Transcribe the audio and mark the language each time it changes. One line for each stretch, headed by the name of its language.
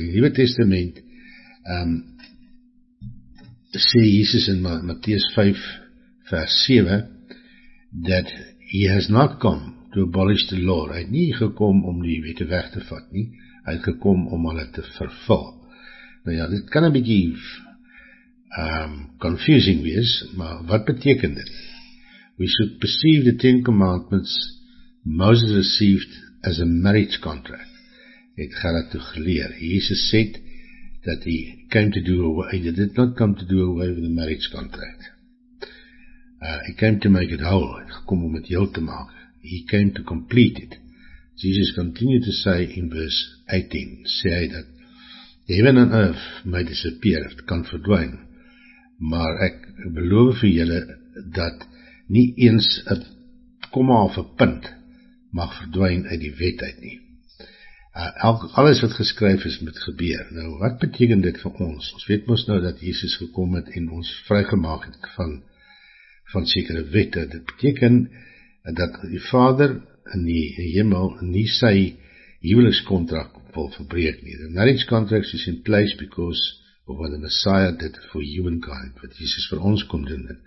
Afrikaans: In die Nuwe Testament sê Jesus in Matteus 5 vers 7 dat
English: he has not come to abolish the law.
Afrikaans: Hy het nie gekom om die wette weg te vat nie. Hy het gekom om hulle te vervul. Nou ja, dit kan een bietjie confusing wees, maar wat beteken dit?
English: We should perceive the Ten Commandments Moses received as a marriage contract.
Afrikaans: Het Gerard toe geleer. Jesus sê dat
English: he came to do away, he did not come to do away with the marriage contract. He came to make it whole,
Afrikaans: het gekom om het heel te maak.
English: He came to complete it. Jesus continued to say in verse 18,
Afrikaans: sê hy dat
English: heaven and earth may disappear,
Afrikaans: het kan verdwijn, maar ek beloof vir julle dat nie eens het komma of een punt mag verdwijn uit die wet uit nie. Alles wat geskryf is moet gebeur. Nou, wat beteken dit vir ons? Ons weet ons nou dat Jesus gekom het en ons vrygemaak het van sekere wette. Dit beteken dat die Vader in die hemel nie sy huwelikskontrak wil verbreek nie.
English: The marriage contract is in place because of what the Messiah did for humankind,
Afrikaans: wat Jesus vir ons kom doen.